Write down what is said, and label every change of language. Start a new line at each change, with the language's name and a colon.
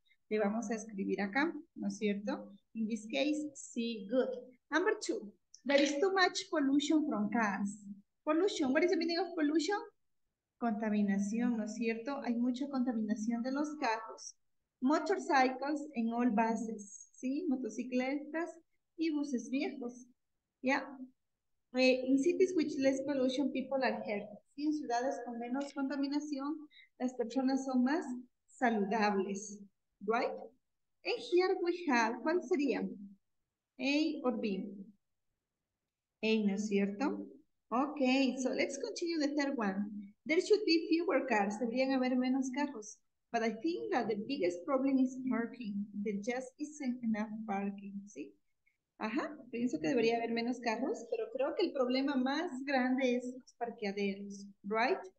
Spanish: Le vamos a escribir acá, ¿no es cierto?
English: In this case, C, good. Number two, there is too much pollution from cars. Pollution, what is the meaning of pollution?
Spanish: Contaminación, ¿no es cierto? Hay mucha contaminación de los carros,
English: motorcycles en all buses,
Spanish: ¿sí? Motocicletas y buses viejos, ¿ya?
English: In cities with less pollution, people are healthy.
Spanish: ¿Sí? En ciudades con menos contaminación, las personas son más saludables, ¿right?
English: And here we have,
Spanish: ¿cuál sería?
English: A or B? A,
Spanish: ¿no es cierto?
English: Okay, so let's continue the third one. There should be fewer cars.
Spanish: Deberían haber menos carros.
English: But I think that the biggest problem is parking. There just isn't enough parking, ¿sí?
Spanish: Ajá, pienso que debería haber menos carros, pero creo que el problema más grande es los parqueaderos, right?